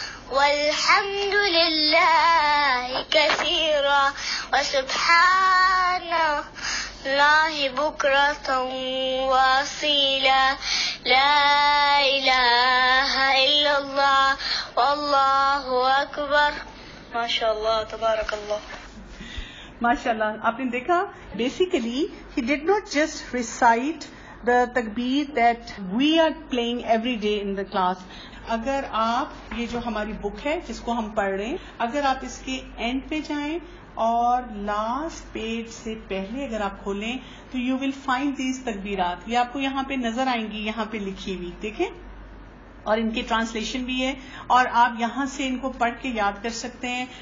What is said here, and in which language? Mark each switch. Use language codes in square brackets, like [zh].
[ar] والحمد للہ کثیرا وسبحان اللہ بکرۃ واصیلا لا الہ الا اللہ واللہ اکبر. ماشاءاللہ تبارک اللہ. [en] ماشاءاللہ، [ur] آپ نے دیکھا، [en] Basically he did not just recite the takbir that we are playing every day in the class. [ur] اگر آپ یہ جو ہماری بک ہے جس کو ہم پڑھ رہے ہیں، اگر آپ اس کے اینڈ پہ جائیں اور لاسٹ پیج سے پہلے اگر آپ کھولیں تو [en] You will find these تکبیرات. [ur] یہ آپ کو یہاں پہ نظر آئیں گی، یہاں پہ لکھی ہوئی، دیکھیں، اور ان کی ٹرانسلیشن بھی ہے، اور آپ یہاں سے ان کو پڑھ کے یاد کر سکتے ہیں.